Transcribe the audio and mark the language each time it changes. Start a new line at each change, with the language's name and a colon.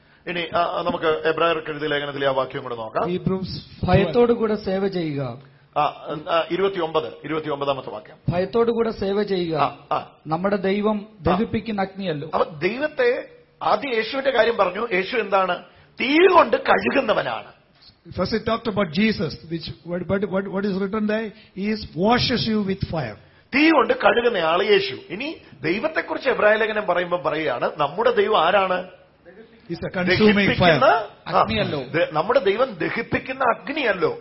Malayalam: ഇനി നമുക്ക് എബ്രായർക്ക് എഴുതിയ ലേഖനത്തിലെ ആ വാക്യം കൂടെ നോക്കാം. ഹീബ്രൂസ് ഭയത്തോടു കൂടെ സേവ ചെയ്യുക. 29-ാമത്തെ വാക്യം. ഭയത്തോടു കൂടെ സേവ ചെയ്യുക, നമ്മുടെ ദൈവം ദഹിപ്പിക്കുന്ന അഗ്നിയല്ലോ. അപ്പൊ ദൈവത്തെ ആദ്യ യേശുവിന്റെ കാര്യം പറഞ്ഞു. യേശു എന്താണ്? തീ കൊണ്ട് കഴുകുന്നവനാണ്.
English: First it talked about Jesus, which what is written there, he is washes you with fire.
Malayalam: തീ കൊണ്ട് കഴുകുന്ന ആള് യേശു. ഇനി ദൈവത്തെക്കുറിച്ച് എബ്രായ ലേഖനം പറയുമ്പോൾ പറയുകയാണ്, നമ്മുടെ ദൈവം ആരാണ്? നമ്മുടെ ദൈവം ദഹിപ്പിക്കുന്ന അഗ്നിയല്ലോ.